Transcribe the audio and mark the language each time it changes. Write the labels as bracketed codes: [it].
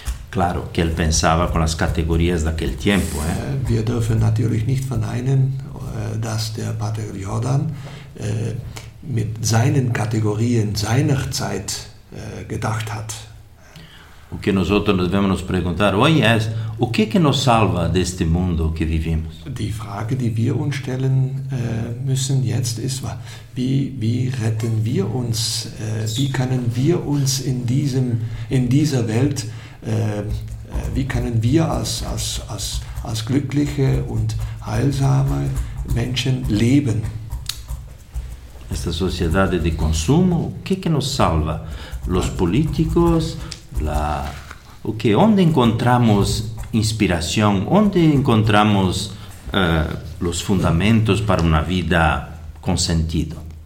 [es] Claro, que él pensaba con las categorías de aquel tiempo. [de] Wir dürfen natürlich nicht verneinen, dass der Padre Jordán mit seinen Kategorien seiner Zeit gedacht hat. [es] O que nosotros debemos nos preguntar hoy es, o que nos salva de este mundo que vivimos? [de] Die Frage, die wir uns stellen müssen jetzt, ist, wie retten wir uns, wie können wir uns in dieser Welt, wie können wir als glückliche und heilsame Menschen leben? [es] Esta sociedad de consumo, que nos salva? Los políticos, okay, ¿dónde encontramos inspiración? ¿Dónde encontramos los fundamentos para una vida con sentido?